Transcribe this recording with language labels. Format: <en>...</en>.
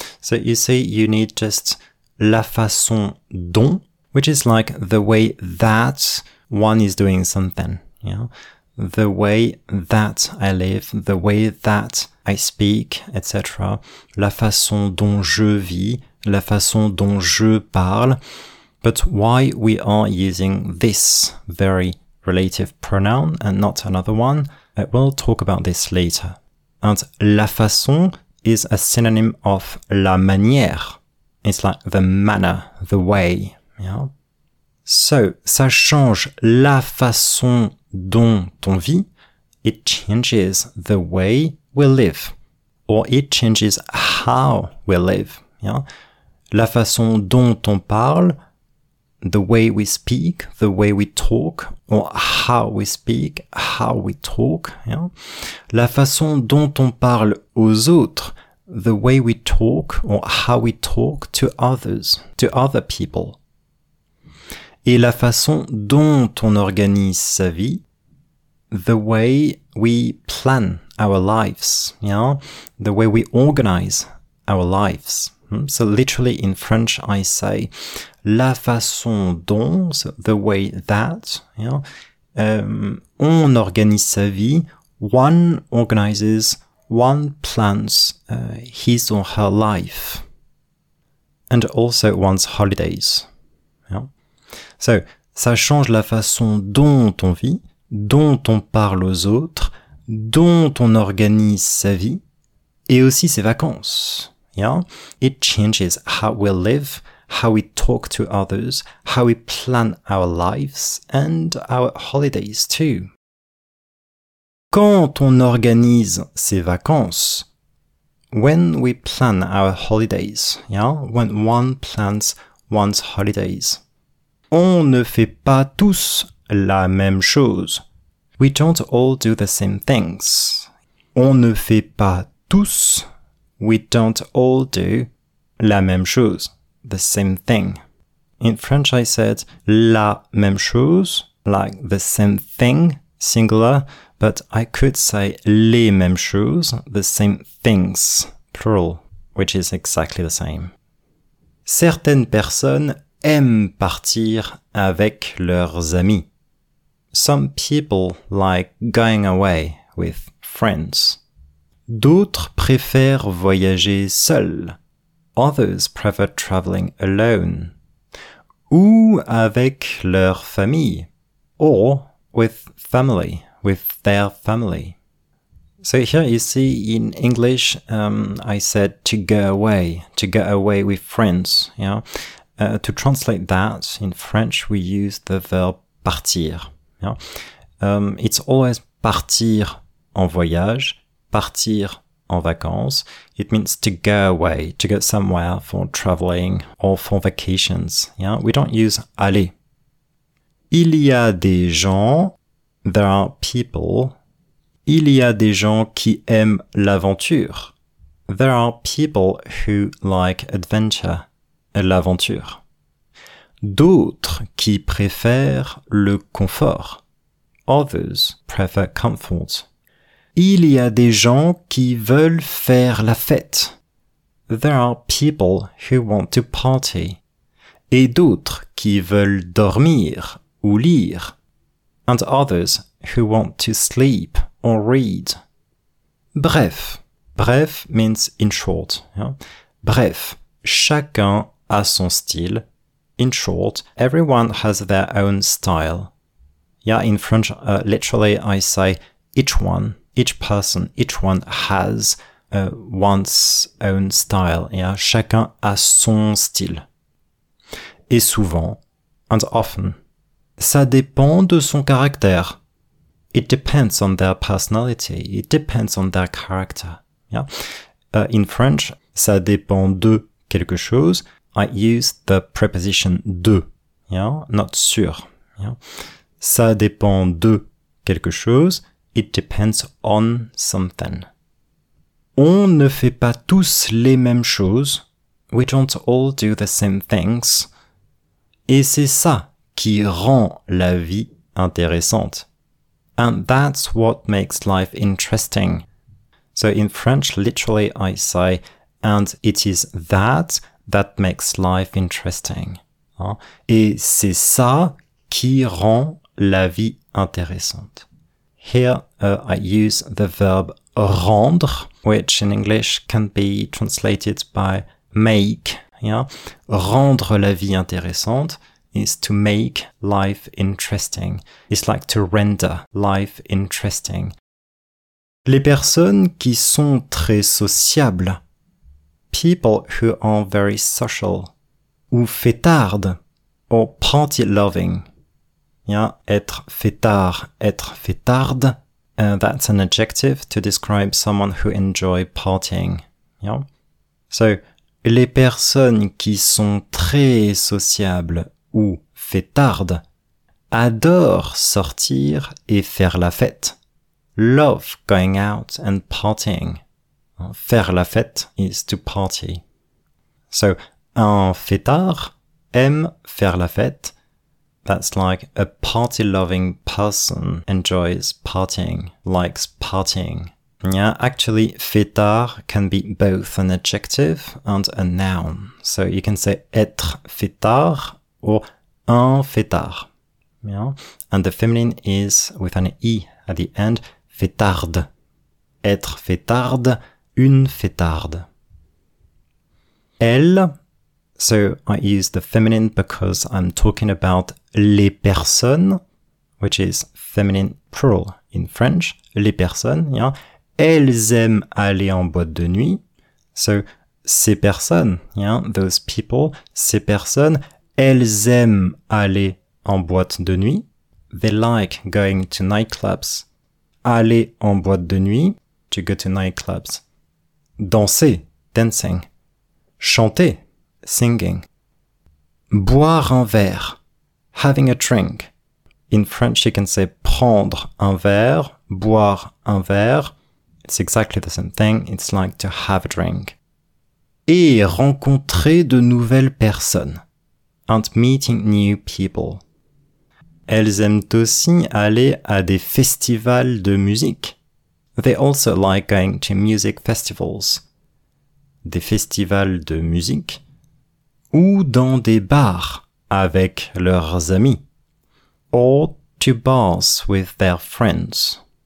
<en>So you see, you need just</en> <fr>la façon dont,</fr> <en>which is like the way that one is doing something. Yeah? The way that I live, the way that I speak, etc.</en> <fr>La façon dont je vis, la façon dont je parle.</fr> <en>But why we are using this very relative pronoun and not another one, we'll talk about this later. And</en> <fr>la façon</fr> <en>is a synonym of</en> <fr>la manière.</fr> <en>It's like the manner, the way. Yeah.</en> <fr>So, ça change la façon dont on vit.</fr> <en>It changes the way we live. Or it changes how we live. Yeah.</en> <fr>La façon dont on parle.</fr> <en>The way we speak, the way we talk, or how we speak, how we talk. Yeah.</en> <fr>La façon dont on parle aux autres,</fr> <en>the way we talk, or how we talk to others, to other people.</en> <fr>Et la façon dont on organise sa vie,</fr> <en>the way we plan our lives. Yeah. The way we organise our lives. So literally in French, I say,</en> <fr>la façon dont, so</fr> <en>the way that, yeah,</en> <fr>on organise sa vie,</fr> <en>one organises, one plans his or her life, and also one's holidays. Yeah.</en> <fr>So, ça change la façon dont on vit, dont on parle aux autres, dont on organise sa vie, et aussi ses vacances.</fr> <en>Yeah, it changes how we live, how we talk to others, how we plan our lives and our holidays too.</en> <fr>Quand on organise ses vacances,</fr> <en>when we plan our holidays, yeah, when one plans one's holidays,</en> <fr>on ne fait pas tous la même chose.</fr> <en>We don't all do the same things.</en> <fr>On ne fait pas tous.</fr> <en>We don't all do</en> <fr>la même chose,</fr> <en>the same thing. In French, I said</en> <fr>la même chose,</fr> <en>like the same thing, singular, but I could say</en> <fr>les mêmes choses,</fr> <en>the same things, plural, which is exactly the same.</en> <fr>Certaines personnes aiment partir avec leurs amis.</fr> <en>Some people like going away with friends.</en> <fr>D'autres préfèrent voyager seuls.</fr> <en>Others prefer traveling alone.</en> <fr>Ou avec leur famille.</fr> <en>Or with family, with their family. So here you see in English, I said to go away with friends. Yeah. To translate that in French, we use the verb partir. Yeah. It's always</en> <fr>partir en voyage. Partir en vacances,</fr> <en>it means to go away, to go somewhere for traveling or for vacations. Yeah, we don't use aller.</en> <fr>Il y a des gens,</fr> <en>there are people.</en> <fr>Il y a des gens qui aiment l'aventure.</fr> <en>There are people who like adventure,</en> <fr>l'aventure. D'autres qui préfèrent le confort.</fr> <en>Others prefer comfort.</en> <fr>Il y a des gens qui veulent faire la fête.</fr> <en>There are people who want to party.</en> <fr>Et d'autres qui veulent dormir ou lire.</fr> <en>And others who want to sleep or read.</en> <fr>Bref.</fr> <en>Bref means in short. Yeah?</en> <fr>Bref. Chacun a son style.</fr> <en>In short, everyone has their own style. Yeah, in French, literally I say each one. Each person, each one has one's own style. Yeah?</en> <fr>Chacun a son style. Et souvent,</fr> <en>and often,</en> <fr>ça dépend de son caractère.</fr> <en>It depends on their personality. It depends on their character. Yeah? In French,</en> <fr>ça dépend de quelque chose.</fr> <en>I use the preposition de. Yeah? Not sur. Yeah?</en> <fr>Ça dépend de quelque chose.</fr> <en>It depends on something.</en> <fr>On ne fait pas tous les mêmes choses.</fr> <en>We don't all do the same things.</en> <fr>Et c'est ça qui rend la vie intéressante.</fr> <en>And that's what makes life interesting. So in French, literally, I say, and it is that that makes life interesting.</en> <fr>Et c'est ça qui rend la vie intéressante.</fr> <en>Here, I use the verb rendre, which in English can be translated by make. Yeah?</en> <fr>Rendre la vie intéressante</fr> <en>is to make life interesting. It's like to render life interesting.</en> <fr>Les personnes qui sont très sociables.</fr> <en>People who are very social.</en> <fr>Ou fêtardes.</fr> <en>Or party loving.</en> <fr>Yeah, être fêtard, être fêtarde.</fr> <en>That's an adjective to describe someone who enjoys partying. Yeah.</en> <fr>So, les personnes qui sont très sociables ou fêtardes adorent sortir et faire la fête.</fr> <en>Love going out and partying.</en> <fr>Faire la fête</fr> <en>is to party.</en> <fr>So, un fêtard aime faire la fête.</fr> <en>That's like a party-loving person enjoys partying, likes partying. Yeah, actually, fêtard can be both an adjective and a noun. So you can say</en> <fr>être fêtard</fr> <en>or</en> <fr>un fêtard.</fr> <en>Yeah. And the feminine is with an I at the end, fêtarde.</en> <fr>Être fêtarde, une fêtarde. Elle.</fr> <en>So I use the feminine because I'm talking about</en> <fr>les personnes,</fr> <en>which is feminine plural in French.</en> <fr>Les personnes, yeah. Elles aiment aller en boîte de nuit. So, ces personnes, yeah,</fr> <en>those people,</en> <fr>ces personnes, elles aiment aller en boîte de nuit.</fr> <en>They like going to nightclubs.</en> <fr>Aller en boîte de nuit.</fr> <en>To go to nightclubs.</en> <fr>Danser.</fr> <en>Dancing.</en> <fr>Chanter.</fr> <en>Singing.</en> <fr>Boire un verre.</fr> <en>Having a drink. In French, you can say</en> <fr>prendre un verre, boire un verre.</fr> <en>It's exactly the same thing. It's like to have a drink.</en> <fr>Et rencontrer de nouvelles personnes.</fr> <en>And meeting new people.</en> <fr>Elles aiment aussi aller à des festivals de musique.</fr> <en>They also like going to music festivals.</en> <fr>Des festivals de musique. Ou dans des bars avec leurs amis.</fr> <en>Or to bars with their friends.</en>